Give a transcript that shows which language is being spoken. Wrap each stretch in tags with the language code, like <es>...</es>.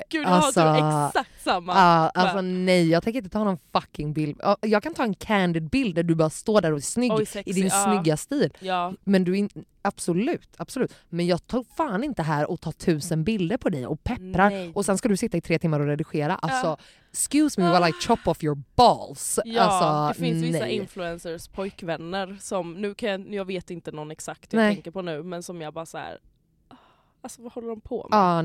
<sv>Gud, alltså, har du exakt samma. Alltså nej, jag tänker inte ta någon fucking bild. Jag kan ta en candid bild där du bara står där och är snygg i din snygga stil. Ja. Men du är absolut. Men jag tar fan inte här och tar 1000 bilder på dig och pepprar. Nej. Och sen ska du sitta i 3 timmar och redigera.</sv> <en>Alltså, excuse me while I chop off your balls.</en> <sv>Ja, alltså, det finns vissa influencers, pojkvänner som, jag vet inte någon exakt jag tänker på nu, men som jag bara så här. Alltså, vad håller de på med?</sv>